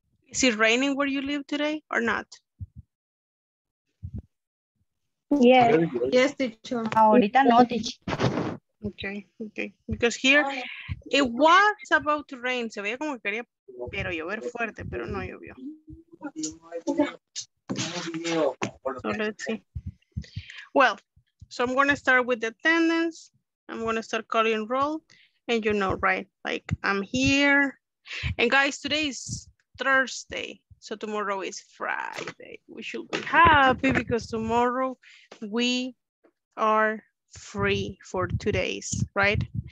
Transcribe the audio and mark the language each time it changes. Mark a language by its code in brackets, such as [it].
[en] Is it raining where you live today or not? Yes. Yes, teacher. [es] Ahorita no, teacher. [en] Okay, because here it was about to rain. [es] Se veía como que quería, pero llover fuerte, pero no llovió. [en] So let's see. Well, so I'm going to start with the attendance. I'm going to start calling roll, and you know, right? Like, I'm here. And guys, today is Thursday, so tomorrow is Friday. We should be happy because tomorrow we are free for 2 days, right?